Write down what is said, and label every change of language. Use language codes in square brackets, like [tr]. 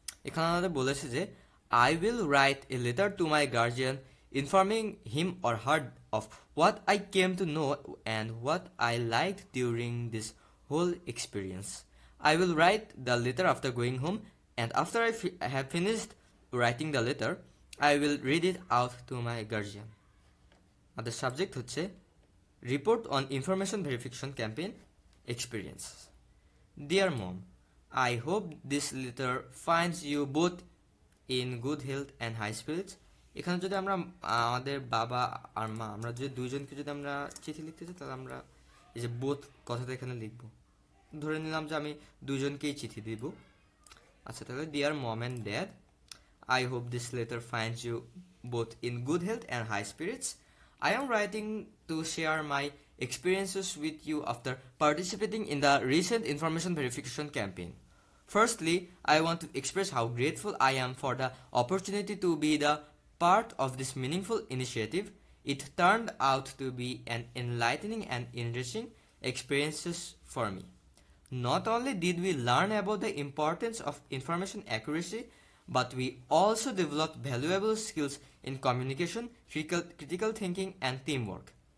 [bn] এখানে আমাদের বলেছে যে [en] I will write a letter to my guardian informing him or her of what I came to know and what I like during this whole experience. I will write the letter after going home And after I have finished writing the letter, I will read it out to my guardian. And the subject is Report on Information Verification Campaign Experience. Dear Mom, I hope this letter finds you both in good health and high spirits. [bn] এখানে যদি আমরা আমাদের বাবা আর মা আমরা যদি দুজনকে যদি আমরা চিঠি লিখতে চাই তাহলে আমরা এই যে বোধ কথাটা এখানে লিখবো। ধরে নিলাম যে আমি দুজনকেই চিঠি দিব। আচ্ছা তাহলে [en] Dear mom and dad, I hope this letter finds you both in good health and high spirits. I am writing to share my experiences with you after participating in the recent information verification campaign. Firstly I want to express how grateful I am for the opportunity to be the part of this meaningful initiative. It turn out to be an enlightening and enriching experiences for me. Not only did we learn about the importance of information accuracy, but we also developed valuable skills in communication, critical thinking, and teamwork.